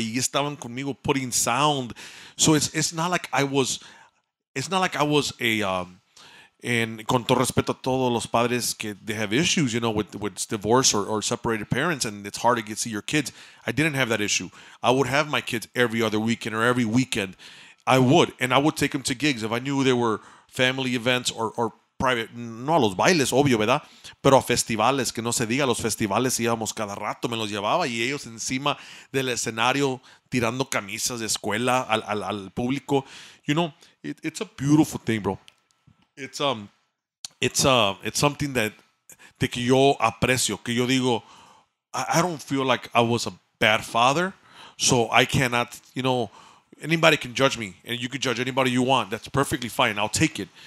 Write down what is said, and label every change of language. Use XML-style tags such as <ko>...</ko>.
<en>Ahí estaban conmigo putting sound. So it's not like I was,</en> <es>con todo respeto a todos los padres que</es> <en>they have issues, you know, with divorce or separated parents, and it's hard to get to see your kids. I didn't have that issue. I would have my kids every other weekend or every weekend. I would, and I would take them to gigs if I knew they were family events or private,</en> <es>no a los bailes, obvio, ¿verdad? Pero a festivales, que no se diga, los festivales íbamos cada rato, me los llevaba y ellos encima del escenario tirando camisas de escuela al público.</es> <en>You know, it's a beautiful thing, bro. It's something that</en> <es>que yo aprecio, que yo digo,</es> <en>I don't feel like I was a bad father, so I cannot, you know. Anybody can judge me, and you can judge anybody you want. That's perfectly fine. I'll take it.</en>